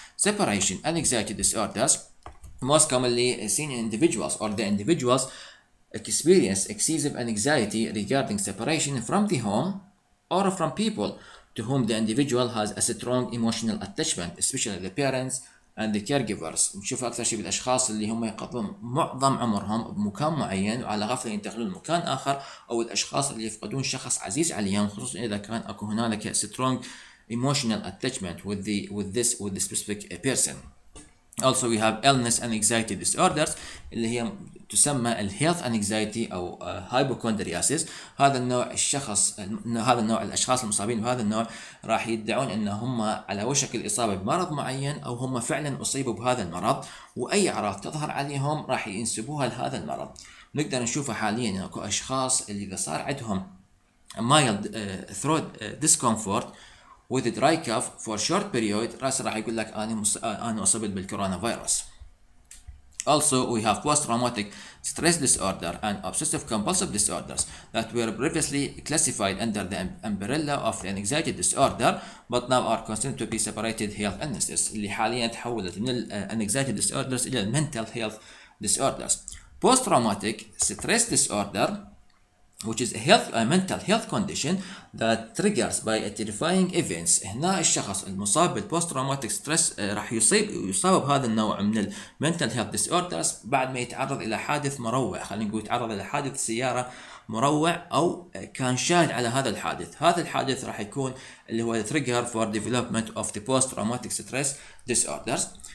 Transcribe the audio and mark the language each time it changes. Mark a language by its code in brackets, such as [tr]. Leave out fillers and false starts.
[en] Separation anxiety disorders, most commonly seen in individuals, or the individuals experience excessive anxiety regarding separation from the home or from people to whom the individual has a strong emotional attachment, especially the parents and the caregivers. [ar] نشوف أكثر شيء بالأشخاص اللي هم يقضون معظم عمرهم بمكان معين وعلى غفلة ينتقلون لمكان آخر, أو الأشخاص اللي يفقدون شخص عزيز عليهم, خصوصا إذا كان أكو هنالك [en] strong emotional attachment with the specific person. Also we have illness and anxiety disorders [ar] اللي هي تسمى الـ [en] health anxiety أو hypochondriasis. [ar] هذا النوع الشخص, هذا النوع الأشخاص المصابين بهذا النوع راح يدعون أن هم على وشك الإصابة بمرض معين أو هم فعلا أصيبوا بهذا المرض, وأي أعراض تظهر عليهم راح ينسبوها لهذا المرض. نقدر نشوفه حاليا أكو أشخاص اللي إذا صار عندهم [en] mild throat discomfort with a dry cough for short period, [ar] راس راح يقول لك أنا أصبت بالكورونا فيروس. [en] Also, we have post-traumatic stress disorder and obsessive-compulsive disorders that were previously classified under the umbrella of the anxiety disorder, but now are considered to be separated health illnesses. [ar] اللي حاليا تحولت من anxiety disorders إلى mental health disorders. [en] Post-traumatic stress disorder, which is a mental health condition that triggers by a terrifying events. [ar] هنا الشخص المصاب بالبوست تروماتيك ستريس راح يصاب بهذا النوع من المنتال هيلث ديسوردرز بعد ما يتعرض الى حادث مروع, خلينا نقول يتعرض الى حادث سياره مروع او كان شاهد على هذا الحادث. هذا الحادث راح يكون اللي هو [en] Trigger for development of the post traumatic stress disorders.